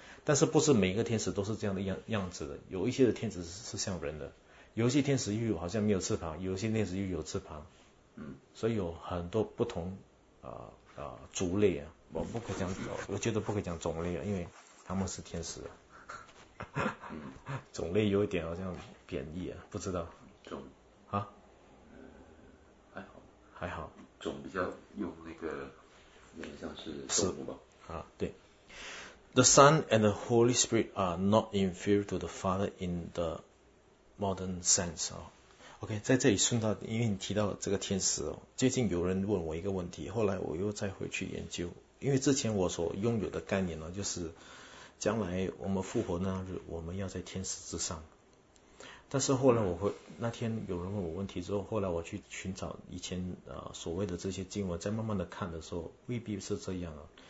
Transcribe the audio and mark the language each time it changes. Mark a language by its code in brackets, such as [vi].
[zh] 但是不是每一个天使都是这样的样子的，有一些的天使是像人的，有些天使又好像没有翅膀，有些天使又有翅膀，所以有很多不同族类啊，我不可讲，我觉得不可讲种类啊，因为他们是天使、种类有一点好像贬义啊，不知道种啊，还好种比较用那个有点像是动物吧，对。 [en] The Son and the Holy Spirit are not inferior to the Father in the modern sense. [zh] OK, 在这里顺道，因为你提到这个天使，最近有人问我一个问题，后来我又再回去研究，因为之前我所拥有的概念呢，就是将来我们复活那日，我们要在天使之上。但是后来那天有人问我问题之后，后来我去寻找以前所谓的这些经文，在慢慢的看的时候，未必是这样啊。